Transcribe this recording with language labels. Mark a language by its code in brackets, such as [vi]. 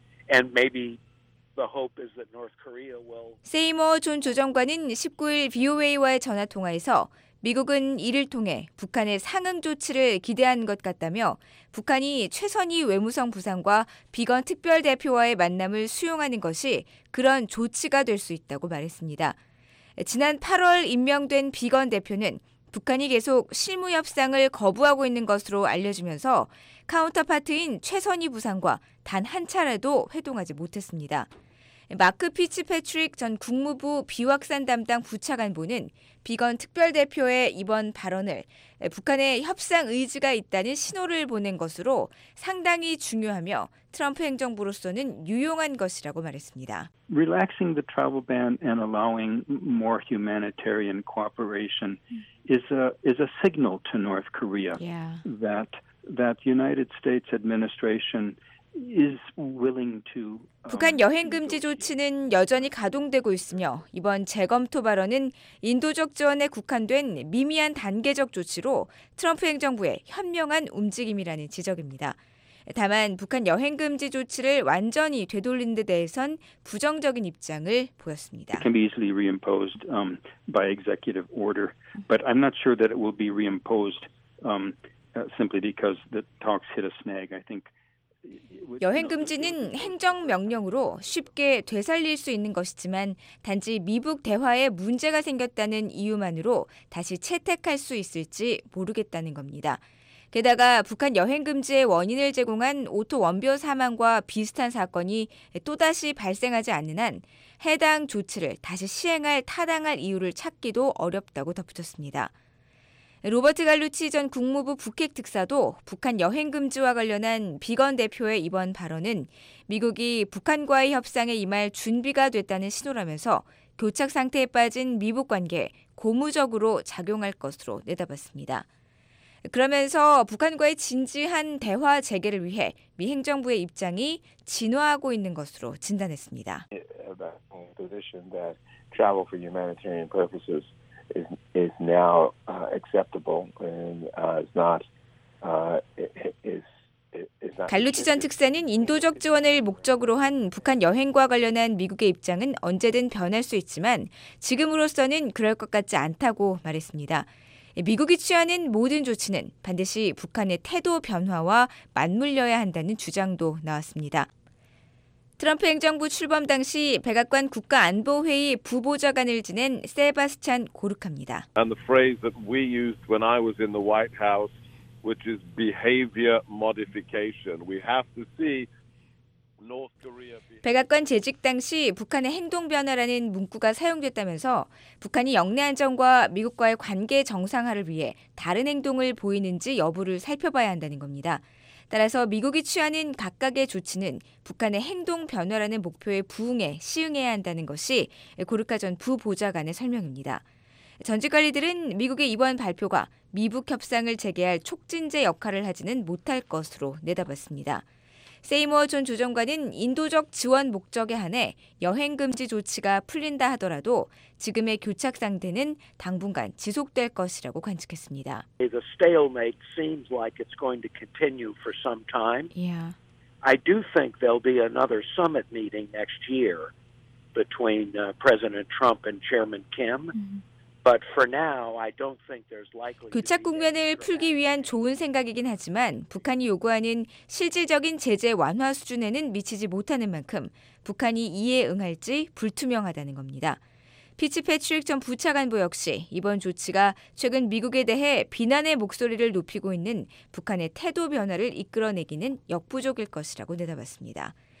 [en] And maybe the hope is that North Korea will [ko] 세이머 전 조정관은 19일 VOA와의 전화 통화에서 미국은 이를 통해 북한의 상응 조치를 기대한 것 같다며 북한이 최선희 외무성 부상과 비건 특별대표와의 만남을 수용하는 것이 그런 조치가 될 수 있다고 말했습니다. 지난 8월 임명된 비건 대표는 북한이 계속 실무 협상을 거부하고 있는 것으로 알려지면서 카운터파트인 최선희 부상과 단 한 차례도 회동하지 못했습니다. 마크 피츠패트릭 전 국무부 비확산 담당 부차관보는 비건 특별대표의 이번 발언을 북한의 협상 의지가 있다는 신호를 보낸 것으로 상당히 중요하며 트럼프 행정부로서는 유용한 것이라고 말했습니다. [en] Relaxing the travel ban and allowing more humanitarian cooperation is a signal to North Korea that United States administration is willing to [ko] 북한 여행 금지 조치는 여전히 가동되고 있으며 이번 재검토 발언은 인도적 지원에 국한된 미미한 단계적 조치로 트럼프 행정부의 현명한 움직임이라는 지적입니다. 다만 북한 여행 금지 조치를 완전히 되돌린 데 대해선 부정적인 입장을 보였습니다. [en] It can be easily reimposed by executive order, but I'm not sure that it will be reimposed simply because the talks hit a snag. I think [ko] 여행 금지는 행정명령으로 쉽게 되살릴 수 있는 것이지만 단지 미북 대화에 문제가 생겼다는 이유만으로 다시 채택할 수 있을지 모르겠다는 겁니다. 게다가 북한 여행 금지의 원인을 제공한 오토 원벼 사망과 비슷한 사건이 또다시 발생하지 않는 한 해당 조치를 다시 시행할 타당할 이유를 찾기도 어렵다고 덧붙였습니다. 로버트 갈루치 전 국무부 북핵 특사도 북한 여행 금지와 관련한 비건 대표의 이번 발언은 미국이 북한과의 협상에 임할 준비가 됐다는 신호라면서 교착 상태에 빠진 미북 관계에 고무적으로 작용할 것으로 내다봤습니다. 그러면서 북한과의 진지한 대화 재개를 위해 미 행정부의 입장이 진화하고 있는 것으로 진단했습니다. [en] Is now acceptable and is not is is not. [ko] 갈루치 전 특사는 인도적 지원을 목적으로 한 북한 여행과 관련한 미국의 입장은 언제든 변할 수 있지만 지금으로서는 그럴 것 같지 않다고 말했습니다. 미국이 취하는 모든 조치는 반드시 북한의 태도 변화와 맞물려야 한다는 주장도 나왔습니다. 트럼프 행정부 출범 당시 백악관 국가안보회의 부보좌관을 지낸 세바스찬 고르카입니다. [en] And the phrase that we used when I was in the White House, which is behavior modification. We have to see North Korea. [ko] 백악관 재직 당시 북한의 행동 변화라는 문구가 사용됐다면서 북한이 역내 안정과 미국과의 관계 정상화를 위해 다른 행동을 보이는지 여부를 살펴봐야 한다는 겁니다. 따라서 미국이 취하는 각각의 조치는 북한의 행동 변화라는 목표에 부응해 시행해야 한다는 것이 고르카 전 부보좌관의 설명입니다. 전직 관리들은 미국의 이번 발표가 미북 협상을 재개할 촉진제 역할을 하지는 못할 것으로 내다봤습니다. 세이머 전 조정관은 인도적 지원 목적에 한해 여행 금지 조치가 풀린다 하더라도 지금의 교착 상태는 당분간 지속될 것이라고 관측했습니다. [en] The stalemate seems like it's going to continue for some time. Yeah. I do think there'll be another summit meeting next year between President Trump and Chairman Kim. Mm-hmm. But for now, I don't think there's likely. [ko] 교착 국면을 풀기 위한 좋은 생각이긴 하지만 북한이 요구하는 실질적인 제재 완화 수준에는 미치지 못하는 만큼 북한이 이에 응할지 불투명하다는 겁니다. 피츠 패트릭 전 부차관보 역시 이번 조치가 최근 미국에 대해 비난의 목소리를 높이고 있는 북한의 태도 변화를 이끌어내기는 역부족일 것이라고 내다봤습니다.